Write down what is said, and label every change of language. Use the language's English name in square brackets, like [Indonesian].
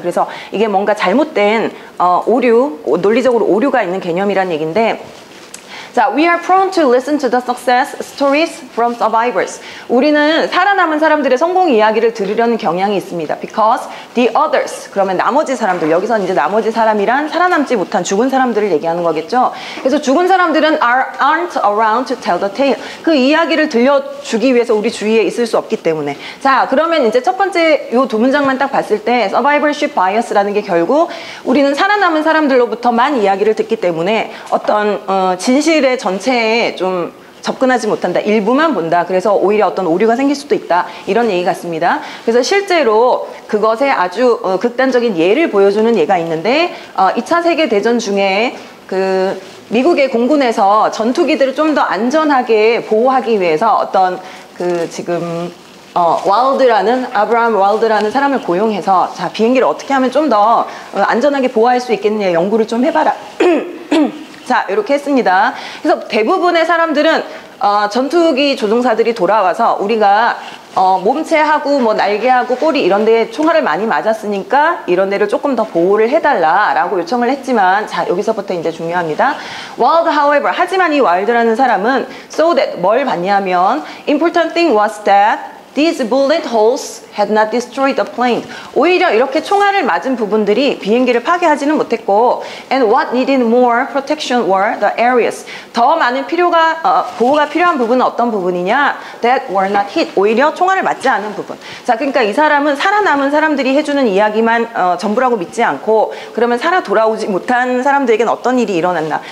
[Korean] 그래서 이게 뭔가 잘못된 오류, 논리적으로 오류가 있는 개념이란 얘기인데 자, [English] we are prone to listen to the success stories from survivors. [Korean] 우리는 살아남은 사람들의 성공 이야기를 들으려는 경향이 있습니다. [English] Because the others, [Korean] 그러면 나머지 사람들, 여기서 이제 나머지 사람이란 살아남지 못한 죽은 사람들을 얘기하는 거겠죠. 그래서 죽은 사람들은 [English] aren't around to tell the tale. [Korean] 그 이야기를 들려주기 위해서 우리 주위에 있을 수 없기 때문에. 자, 그러면 이제 첫 번째 요 두 문장만 딱 봤을 때 survivorship bias라는 게 결국 우리는 살아남은 사람들로부터만 이야기를 듣기 때문에 어떤 진실 의 전체에 좀 접근하지 못한다. 일부만 본다. 그래서 오히려 어떤 오류가 생길 수도 있다. 이런 얘기 같습니다. 그래서 실제로 그것에 아주 극단적인 예를 보여주는 예가 있는데 2차 세계대전 중에 그 미국의 공군에서 전투기들을 좀 더 안전하게 보호하기 위해서 어떤 그 지금 와일드라는 아브라함 와일드라는 사람을 고용해서 자, 비행기를 어떻게 하면 좀 더 안전하게 보호할 수 있겠느냐 연구를 좀 해봐라. 자, 이렇게 했습니다. 그래서 대부분의 사람들은 전투기 조종사들이 돌아와서 우리가 몸체하고 뭐 날개하고 꼬리 이런 데에 총알을 많이 맞았으니까 이런 데를 조금 더 보호를 해달라라고 요청을 했지만 자, 여기서부터 이제 중요합니다. [English] Wild, however, [Korean] 하지만 이 와일드라는 사람은 [English] so that [Korean] 뭘 봤냐면 [English] important thing was that these bullet holes had not destroyed the plane. [Korean] 오히려 이렇게 총알을 맞은 부분들이 비행기를 파괴하지는 못했고 [English] and what needed more protection were the areas. [Korean] 더 많은 필요가 보호가 필요한 부분은 어떤 부분이냐? [English] that were not hit. [Korean] 오히려 총알을 맞지 않은 부분. 자, 그러니까 이 사람은 살아남은 사람들이 해주는 이야기만 전부라고 믿지 않고 그러면 살아 돌아오지 못한 사람들에게는 어떤 일이 일어났나?